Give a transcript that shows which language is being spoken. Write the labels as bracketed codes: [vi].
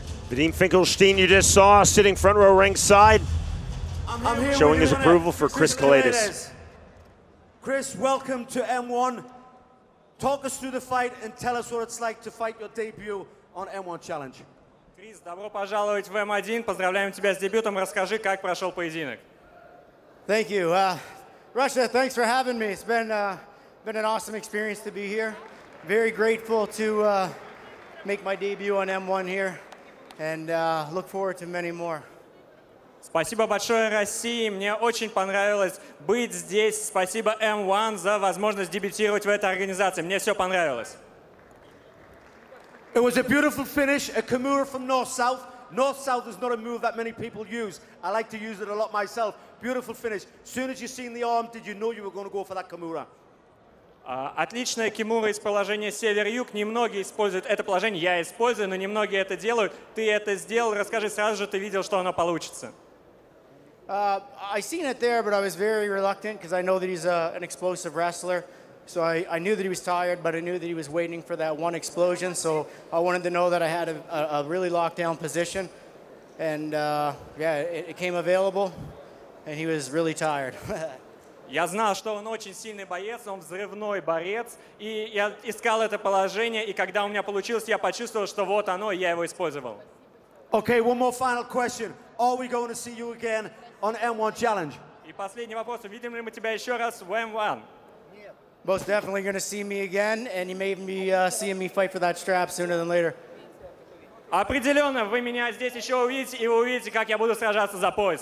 [en] Vadim Finkelstein, you just saw, sitting front row ringside, showing his approval for Chris Kalaitis. Chris, welcome to M1. Talk us through the fight and tell us what it's like to fight your debut on M1 Challenge. [ru] Крис, добро пожаловать в М1. Поздравляем тебя с дебютом. Расскажи, как прошел поединок. [en] Thank you, Russia. Thanks for having me. It's been an awesome experience to be here. Very grateful to make my debut on M1 here, and look forward to many more. [ru] Спасибо большое, России. Мне очень понравилось быть здесь. Спасибо M1 за возможность дебютировать в этой организации. Мне все понравилось. [en] It was a beautiful finish, a Kimura from north-south. North-south is not a move that many people use. I like to use it a lot myself. Beautiful finish. Soon as you seen the arm, did you know you were going to go for that Kimura? [ru] Отличная кимура из положения север-юг. Немногие используют это положение. Я использую, но немногие это делают. Ты это сделал. Расскажи сразу же, ты видел, что оно получится. [en] I seen it there, but I was very reluctant because I know that he's an explosive wrestler. So I knew that he was tired, but I knew that he was waiting for that one explosion. So I wanted to know that I had a really locked down position. And it came available, and he was really tired. [ru] Я знал, что он очень сильный боец, он взрывной борец, и я искал это положение, и когда у меня получилось, я почувствовал, что вот оно, я его использовал. [en] Okay, one more final question. Are we going to see you again on M1 Challenge? [ru] И последний вопрос. Увидим ли мы тебя еще раз в M1? [en] Most definitely going to see me again, and you may be seeing me fight for that strap sooner than later. [ru] Определенно, вы меня здесь еще увидите, и вы увидите, как я буду сражаться за пояс.